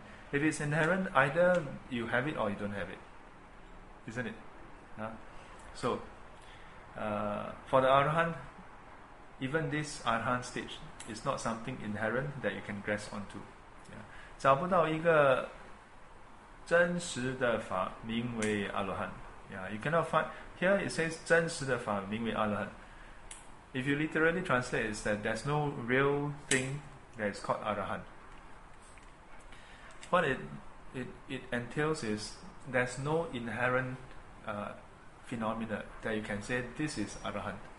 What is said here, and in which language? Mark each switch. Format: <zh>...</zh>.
<en>If it's inherent, either you have it or you don't have it, isn't it? So, for the arahant, even this arahant stage is not something inherent that you can grasp onto. Yeah.</en> <zh>找不到一个真实的法名为阿罗汉.</zh> <en>Yeah, you cannot find. Here it says</en> <zh>真实的法名为阿罗汉.</zh> <en>If you literally translate, it's that there's no real thing that is called arahant. What it entails is there's no inherent phenomena that you can say this is arahant.</en>